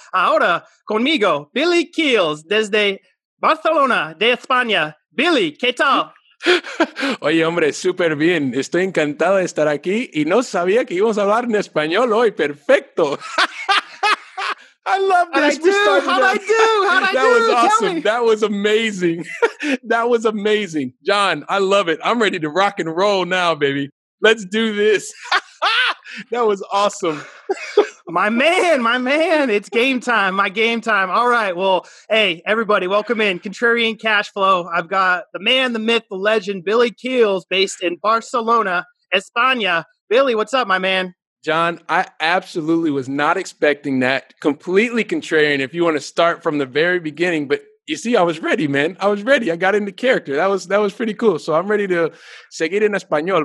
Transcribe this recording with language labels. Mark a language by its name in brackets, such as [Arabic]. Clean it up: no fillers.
[Spanish] Ahora conmigo, Billy Keels, desde Barcelona de España. Billy, ¿qué tal? Oye, hombre, súper bien. Estoy encantado de estar aquí y no sabía que íbamos a hablar en español hoy. [English] ¡Perfecto! I love this. How'd I do? That was awesome. That was amazing. That was amazing. John, I love it. I'm ready to rock and roll now, baby. Let's do this. That was awesome. My man. It's game time. All right. Well, hey, everybody, welcome in. Contrarian Cashflow. I've got the man, the myth, the legend, Billy Keels, based in Barcelona, España. Billy, what's up, my man? John, I absolutely was not expecting that. Completely contrarian, if you want to start from the very beginning. But you see, I was ready, man. I was ready. I got into character. That was pretty cool. So I'm ready to [Spanish] seguir en español.